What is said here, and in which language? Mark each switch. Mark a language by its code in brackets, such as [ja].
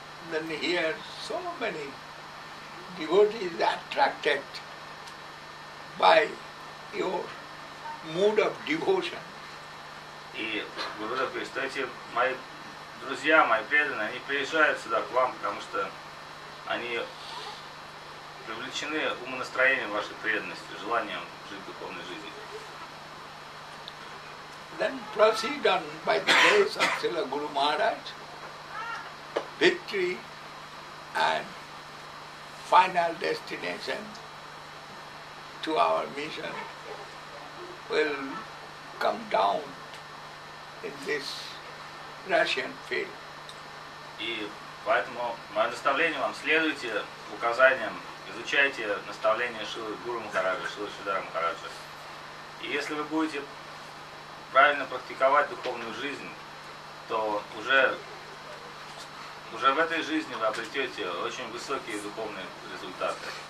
[en] Then here so many devotees attracted by your mood of devotion. [ru] И Гурудев говорит, что эти мои друзья, мои преданные, они приезжают сюда к вам, потому что они привлечены умонастроением вашей преданности, желанием жить духовной жизнью. [en] Then proceed on by the grace of Srila Guru Maharaj, victory and final destination to our mission will come down in this Russian field. [ru] И поэтому мое наставление вам, следуйте указаниям, изучайте наставления Шилы Гуру Махараджа, Шилы Шридхара Махараджа. И если вы будете правильно практиковать духовную жизнь, то уже в этой жизни вы обретете очень высокие духовные результаты.